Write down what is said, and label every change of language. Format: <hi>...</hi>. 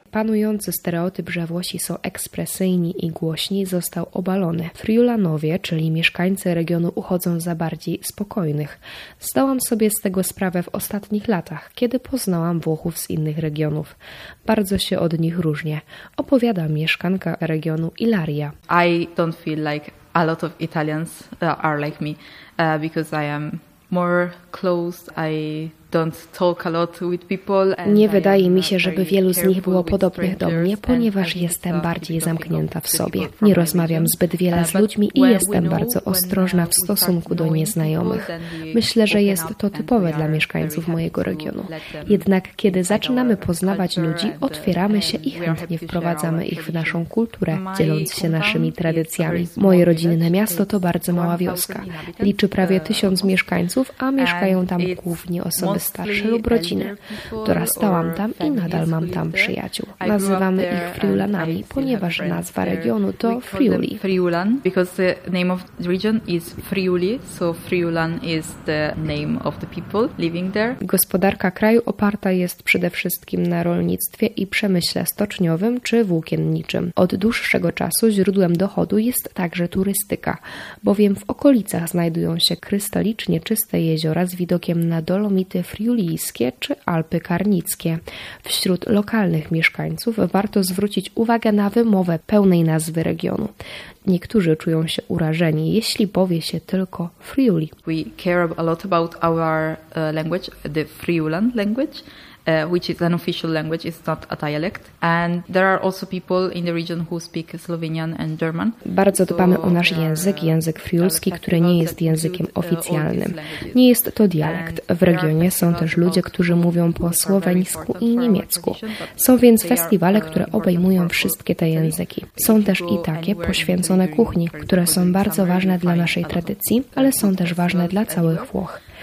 <pl>Panujący stereotyp, że Włosi są ekspresyjni i głośni, został obalony. Friulanowie, czyli mieszkańcy regionu, uchodzą za bardziej spokojnych. Zdałam sobie z tego sprawę w ostatnich latach, kiedy poznałam Włochów z innych regionów. Bardzo się od nich różnię, opowiada mieszkanka regionu Ilaria.</pl> <en>I don't feel like a lot of Italians are like me, because I am more closed, I don't talk a lot with people.</en> <pl>Nie wydaje mi się, żeby wielu z nich było podobnych do mnie, ponieważ jestem bardziej zamknięta w sobie. Nie rozmawiam zbyt wiele z ludźmi i jestem bardzo ostrożna w stosunku do nieznajomych. Myślę, że jest to typowe dla mieszkańców mojego regionu. Jednak kiedy zaczynamy poznawać ludzi, otwieramy się i chętnie wprowadzamy ich w naszą kulturę, dzieląc się naszymi tradycjami. Moje rodzinne miasto to bardzo mała wioska. Liczy prawie 1000 mieszkańców, a mieszkają tam głównie osoby starsze lub rodziny. Dorastałam tam i nadal mam tam przyjaciół. Nazywamy ich Friulanami, ponieważ nazwa regionu to Friuli.</pl> <en>Friulan, because the name of the region is Friuli, so Friulan is the name of the people living there.</en> <pl>Gospodarka kraju oparta jest przede wszystkim na rolnictwie i przemyśle stoczniowym czy włókienniczym. Od dłuższego czasu źródłem dochodu jest także turystyka, bowiem w okolicach znajdują się krystalicznie czyste jeziora z widokiem na Dolomity Friulijskie czy Alpy Karnickie. Wśród lokalnych mieszkańców warto zwrócić uwagę na wymowę pełnej nazwy regionu. Niektórzy czują się urażeni, jeśli powie się tylko Friuli.</pl> <en>We care a lot about our language, the Friulan language. Which is an official language, it's not a dialect. And there are also people in the region who speak Slovenian and German.</en> <pl>Bardzo dbamy o nasz język, język friulski, który nie jest językiem oficjalnym. Nie jest to dialekt. W regionie są też ludzie, którzy mówią po słoweńsku i niemiecku. Są więc festiwale, które obejmują wszystkie te języki. Są też i takie poświęcone kuchni, które są bardzo ważne dla naszej tradycji, ale są też ważne dla całych Włoch.</pl>